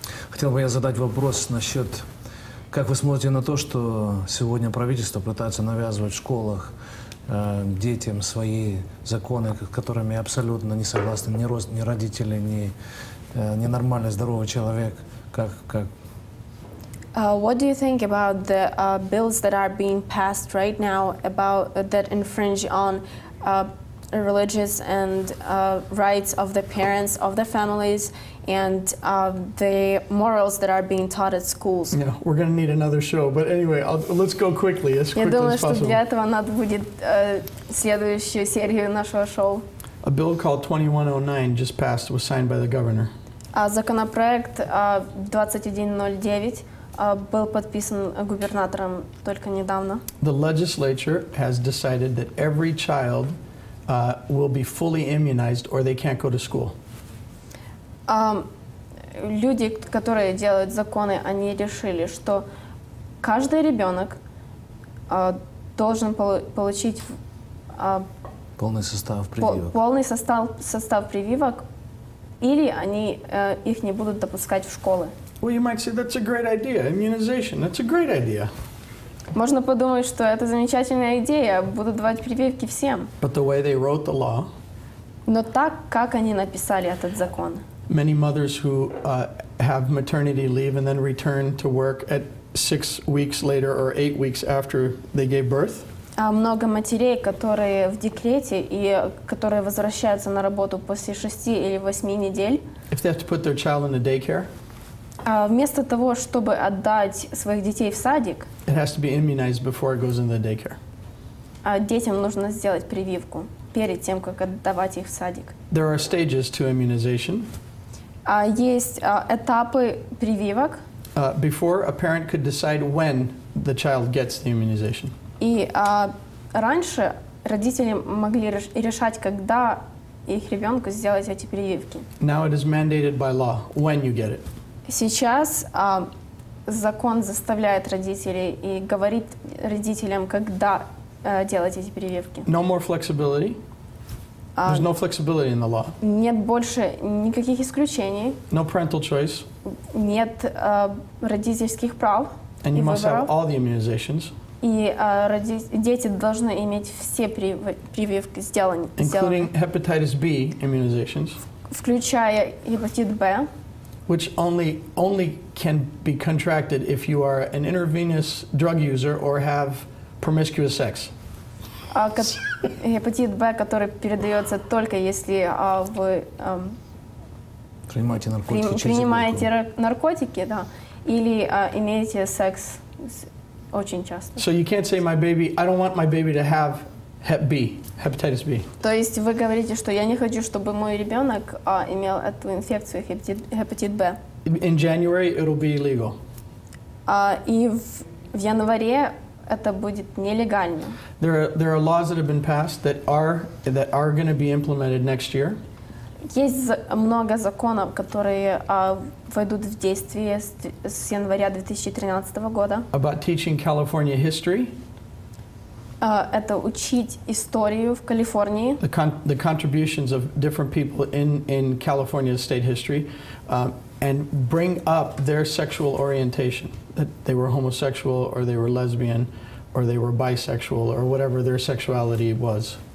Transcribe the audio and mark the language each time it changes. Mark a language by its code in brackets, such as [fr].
[ru] Хотел бы я задать вопрос насчет, как вы смотрите на то, что сегодня правительство пытается навязывать в школах детям свои законы, которыми абсолютно не согласны ни родители, ни... ненормальный здоровый человек, как. [en] What do you think about the bills that are being passed right now about that infringe on religious and rights of the parents of the families and the morals that are being taught at schools? Yeah, we're going to need another show, but anyway, let's go quickly as quickly as possible. [ru] Я думаю, что для этого надо будет следующую серию нашего шоу. [en] A bill called 2109 just passed, was signed by the governor. [ru] Законопроект 2109 был подписан губернатором только недавно. [en] The legislature has decided that every child will be fully immunized or they can't go to school. [ru] Люди, которые делают законы, они решили, что каждый ребенок должен получить полный состав прививок. Полный состав прививок, или они их не будут допускать в школы. [en] Well, you might say that's a great idea. Immunization, that's a great idea. [ru] Можно подумать, что это замечательная идея, будут давать прививки всем. [en] But the way they wrote the law. [ru] Но так, как они написали этот закон. [en] Many mothers who have maternity leave and then return to work at 6 weeks later or 8 weeks after they gave birth. [ru] Много матерей, которые в декрете и которые возвращаются на работу после 6 или 8 недель. [en] If they have to put their child in a daycare, [ru] вместо того, чтобы отдать своих детей в садик, [en] it has to be immunized before it goes in the daycare. [ru] Детям нужно сделать прививку перед тем, как отдавать их в садик. [en] There are stages to immunization. [ru] Есть этапы прививок. [en] Before a parent could decide when the child gets the immunization. [ru] И раньше родители могли решать, когда их ребенку сделать эти прививки. [en] Now it is mandated by law when you get it. [ru] Сейчас закон заставляет родителей и говорит родителям, когда делать эти прививки. [en] No more flexibility. There's no flexibility in the law. [ru] Нет больше никаких исключений. [en] No parental choice. [ru] Нет родительских прав. [en] And you must have all the immunizations. [ru] И дети должны иметь все прививки сделаны. [en] Including hepatitis B immunizations. [ru] Включая гепатит B. [en] Which only can be contracted if you are an intravenous drug user or have promiscuous sex. [ru] Гепатит B, который передается только если вы принимаете наркотики, да, или имеете секс очень часто. [en] So you can't say my baby, I don't want my baby to have Hep B, hepatitis B. [ru] То есть вы говорите, что я не хочу, чтобы мой ребенок имел эту инфекцию гепатит B. [en] In January it'll be illegal. [ru] И в январе это будет нелегально. [en] There are laws that have been passed that are going to be implemented next year. [ru] Есть много законов, которые войдут в действие с января 2013 года. [en] About teaching California history. [ru] Это учить историю в Калифорнии. [en] The contributions of different people in California's state history, and bring up their sexual orientation, that they were homosexual or they were lesbian, or they were bisexual, or whatever their sexuality was.